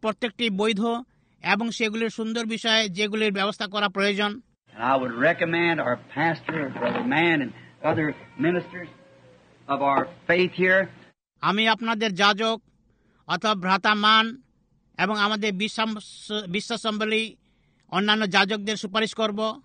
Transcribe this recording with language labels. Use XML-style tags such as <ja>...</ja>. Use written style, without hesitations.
<bn>প্রত্যেকটি বৈধ এবং সেগুলির সুন্দর বিষয়ে যেগুলির ব্যবস্থা করা প্রয়োজন।</bn> <en>And I would recommend our pastor, Brother Mann, and other ministers of our faith here.</en> <bn>আমি আপনাদের যাজক অথবা ভ্রাতা মান এবং আমাদের বিশ্বাসম্বলী অন্যান্য যাজকদের সুপারিশ করব।</bn>